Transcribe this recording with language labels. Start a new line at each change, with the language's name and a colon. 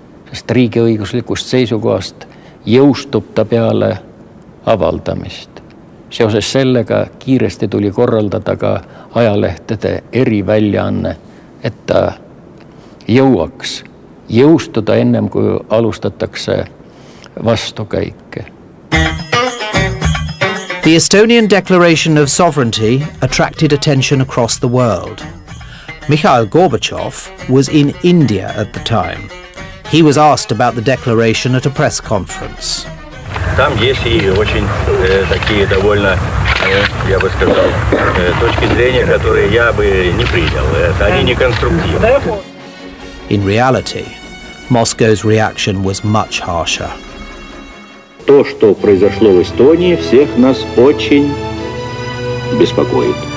Estonian: Sest riigiõiguslikust seisukohast jõustub ta peale avaldamist. Seoses sellega kiiresti tuli korraldada ka ajalehtede eri väljaanne, et ta jõuaks jõustuda ennem kui alustatakse vastukäike.
English: The Estonian Declaration of Sovereignty attracted attention across the world. Mikhail Gorbachev was in India at the time. He was asked about the declaration at a press conference.
Russian: Там есть и очень такие довольно, я бы сказал, точки зрения, которые я бы не принял. Они не конструктивны.
English: In reality, Moscow's reaction was much harsher.
Russian: То, что произошло в Эстонии, всех нас очень беспокоит.